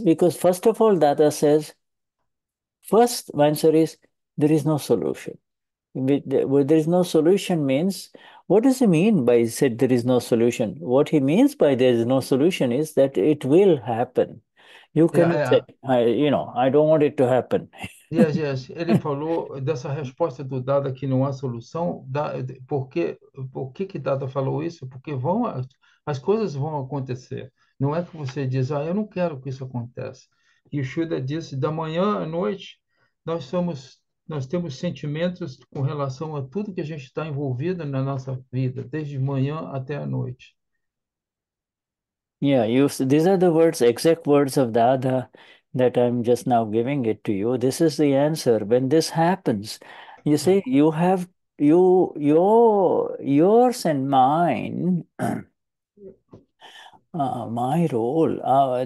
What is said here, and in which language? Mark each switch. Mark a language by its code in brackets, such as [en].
[en] Because first of all, Dada says, first answer is, there is no solution. There is no solution means, what does he mean by he said there is no solution? What he means by there is no solution is that it will happen. You cannot say, you know, I don't want it to happen. [pt] Ele falou dessa resposta do Dada que não há solução. Por que que Dada falou isso? Porque as coisas vão acontecer. Não é que você diz, ah, eu não quero que isso aconteça. E o Yeshuda disse, da manhã à noite, nós temos sentimentos com relação a tudo que a gente está envolvido na nossa vida, desde manhã até à noite. [en] Yeah, these are the words, exact words of Dada that I'm just now giving it to you. This is the answer. When this happens, you see, you have you your yours and mine, my role.